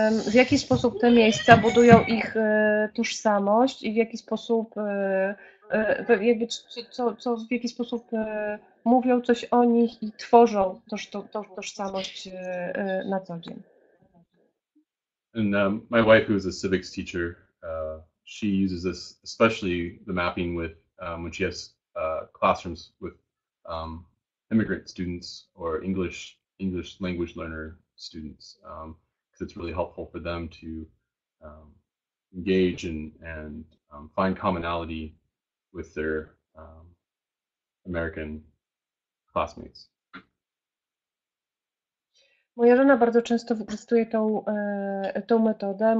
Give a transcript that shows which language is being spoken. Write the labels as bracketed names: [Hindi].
[Polish] w jaki sposób te miejsca budują ich tożsamość i w jaki sposób, jakby, co w jaki sposób mówią coś o nich i tworzą tożsamość na co dzień. [English] And my wife, who is a civics teacher, she uses this, especially the mapping with when she has classrooms with immigrant students or English language learner students, because it's really helpful for them to engage and find commonality with their American classmates. [Polish] Moja żona bardzo często wykorzystuje tą metodę.